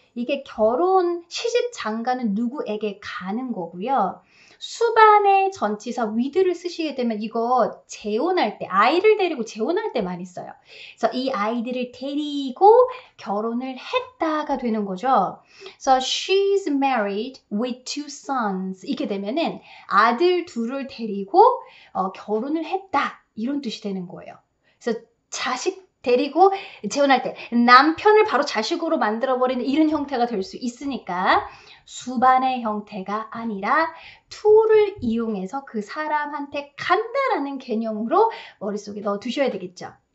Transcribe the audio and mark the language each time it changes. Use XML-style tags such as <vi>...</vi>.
<ko>이게 결혼, 시집, 장가는 누구에게 가는 거고요. 수반의 전치사 with를 쓰시게 되면 이거 재혼할 때, 아이를 데리고 재혼할 때 많이 써요. 그래서 이 아이들을 데리고 결혼을 했다가 되는 거죠.</ko> <en>So she's married with two sons.</en> <ko>이렇게 되면은 아들 둘을 데리고 결혼을 했다. 이런 뜻이 되는 거예요. 그래서 자식 데리고 재혼할 때 남편을 바로 자식으로 만들어버리는 이런 형태가 될 수 있으니까 수반의 형태가 아니라 to를 이용해서 그 사람한테 간다라는 개념으로 머릿속에 넣어두셔야 되겠죠.</ko>